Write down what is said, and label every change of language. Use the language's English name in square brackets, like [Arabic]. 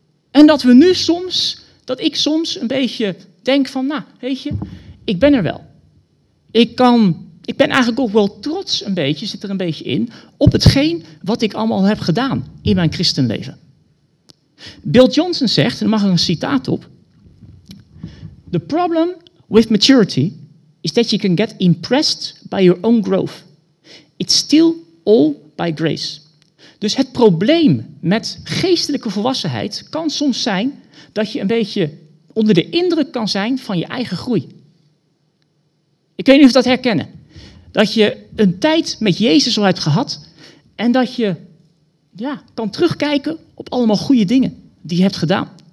[Dutch] En dat we nu soms, dat ik soms een beetje denk van, ik ben er wel. Ik ben eigenlijk ook wel trots een beetje, zit er een beetje in, op hetgeen wat ik allemaal heb gedaan in mijn christenleven. Bill Johnson zegt, en dan mag er een citaat op. [English] The problem with maturity is that you can get impressed by your own growth. It's still all by grace. [Dutch] Dus het probleem met geestelijke volwassenheid kan soms zijn dat je een beetje onder de indruk kan zijn van je eigen groei. Ik weet niet of je dat herkennen. Dat je een tijd met Jezus al hebt gehad en dat je kan terugkijken op allemaal goede dingen die je hebt gedaan.